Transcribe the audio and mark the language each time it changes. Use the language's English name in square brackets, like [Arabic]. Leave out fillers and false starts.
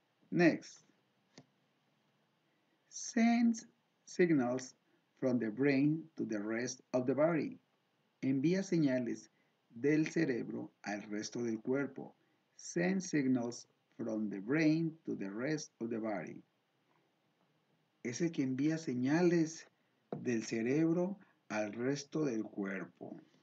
[English] Next, sends signals from the brain to the rest of the body. [Spanish] Envía señales del cerebro al resto del cuerpo. [English] Sends signals from the brain to the rest of the body. [Spanish] Es el que envía señales del cerebro al resto del cuerpo.